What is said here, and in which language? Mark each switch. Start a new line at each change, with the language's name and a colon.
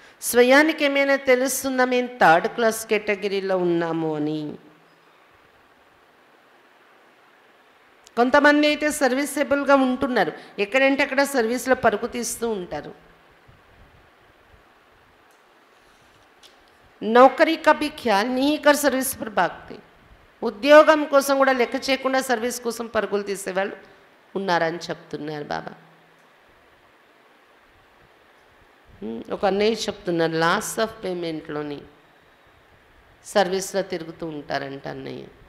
Telugu: స్వయానికి ఏమైనా తెలుస్తుందా మేము థర్డ్ క్లాస్ కేటగిరీలో ఉన్నాము అని? కొంతమంది అయితే సర్వీసెబుల్గా ఉంటున్నారు, ఎక్కడంటే అక్కడ సర్వీస్లో పరుగు తీస్తూ ఉంటారు.
Hindi: नौकरी का भी ख्याल नहीं कर सर्विस पर भागते.
Telugu: ఉద్యోగం కోసం కూడా లెక్క చేయకుండా సర్వీస్ కోసం పరుగులు తీసే వాళ్ళు ఉన్నారని చెప్తున్నారు బాబా. ఒక అన్నయ్య చెప్తున్నారు లాస్ ఆఫ్ పేమెంట్లోని సర్వీస్లో తిరుగుతూ ఉంటారంట అన్నయ్య.